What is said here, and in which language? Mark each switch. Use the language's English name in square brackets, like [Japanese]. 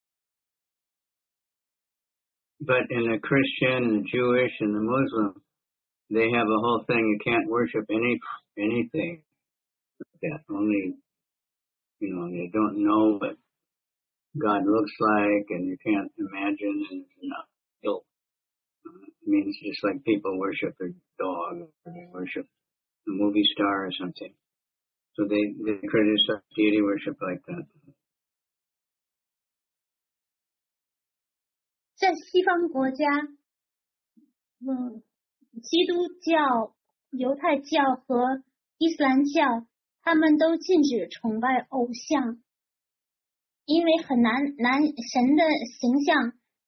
[Chinese] 因为在中国的佛庙里总是供着佛的佛像，所以人们对此都有理解了。 [English] But in the Christian, the Jewish, and the Muslim, they have a whole thing. You can't worship anything. That only, you know, they don't know what God looks like, and you can't imagine. And you know, it means just like people worship their dog, or they worship a movie star or something. So they criticize deity worship like that. [Chinese] 在西方国家，基督教、犹太教和伊斯兰教，他们都禁止崇拜偶像，因为很难，神的形象。